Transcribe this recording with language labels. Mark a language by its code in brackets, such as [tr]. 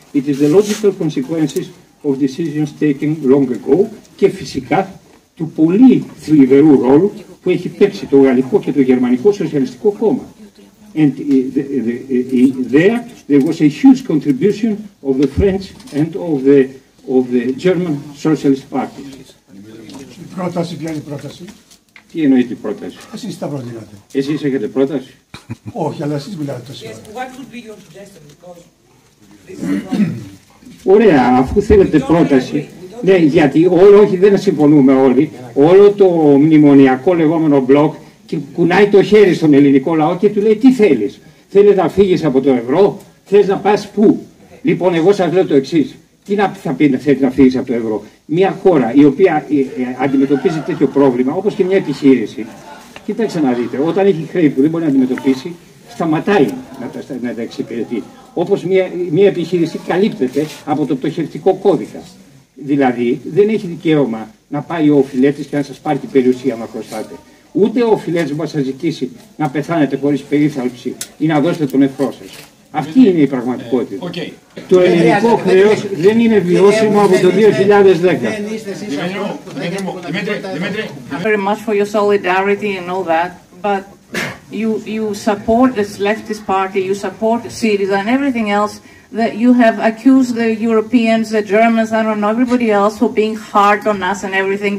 [en] It is the logical consequences of decisions taken long ago [el] και φυσικά του πολύ θλιβερού ρόλου που έχει παίξει το Γαλλικό και το Γερμανικό Σοσιαλιστικό Κόμμα. [en] And there was a huge contribution of the French and of the German Socialist Party. [el] Η πρόταση, ποια είναι η πρόταση? Τι εννοείται η πρόταση? Εσείς τα προτείνατε. Εσείς έχετε πρόταση? Όχι, αλλά εσείς μιλάτε τόσο. [en] Yes, what would be your suggestion, because [el] ωραία, αφού θέλετε πρόταση. Ναι, γιατί όλοι, όχι, δεν συμφωνούμε όλοι. Όλο το μνημονιακό λεγόμενο μπλοκ και κουνάει το χέρι στον ελληνικό λαό και του λέει τι θέλεις. Θέλεις να φύγεις από το ευρώ, θες να πας πού. Okay. Λοιπόν, εγώ σας λέω το εξής. Τι να θα πει να θέλει να φύγεις από το ευρώ. Μια χώρα η οποία αντιμετωπίζει τέτοιο πρόβλημα, όπως και μια επιχείρηση, κοιτάξτε να δείτε, όταν έχει χρέη που δεν μπορεί να αντιμετωπίσει, σταματάει να τα εξυπηρετεί. Όπως μια επιχείρηση καλύπτεται από το πτωχευτικό κώδικα. Δηλαδή, δεν έχει δικαίωμα να πάει ο οφειλέτης και να σας πάρει την περιουσία να χρωστάτε. Ούτε ο οφειλέτης μπορεί να σας ζητήσει να πεθάνετε χωρίς περίθαλψη ή να δώσετε τον εχθρό σας. Αυτή είναι η πραγματικότητα. Okay. Το ελληνικό χρέος δεν είναι βιώσιμο από το 2010. Δημήτρη, [en] very much for your solidarity and all that, but you support this leftist party, you support Syriza and everything else, that you have accused the Europeans, the Germans, I don't know, everybody else for being hard on us and everything.